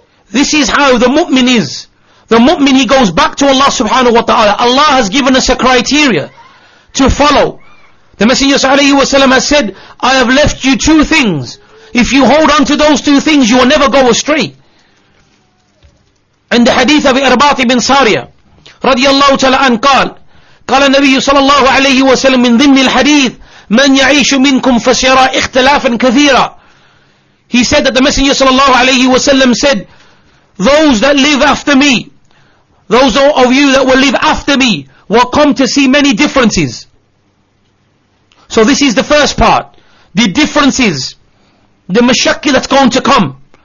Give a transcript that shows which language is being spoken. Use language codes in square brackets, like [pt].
[en] This is how the mu'min is. The mu'min, he goes back to Allah subhanahu wa ta'ala. Allah has given us a criteria to follow. The Messenger sallallahu alayhi wa sallam has said, I have left you two things. If you hold on to those two things, you will never go astray. In the hadith of Irbat ibn Sariyah, radiyallahu ta'ala an, [ar] قال النبي صلى الله عليه وسلم من ضمن الحديث من يعيش منكم فسيرى اختلافا كثيرا. [en] He said that the Messenger صلى الله عليه وسلم said, those that live after me, those of you that will live after me, will come to see many differences. So this is the first part, the differences, the mashakki that's going to come.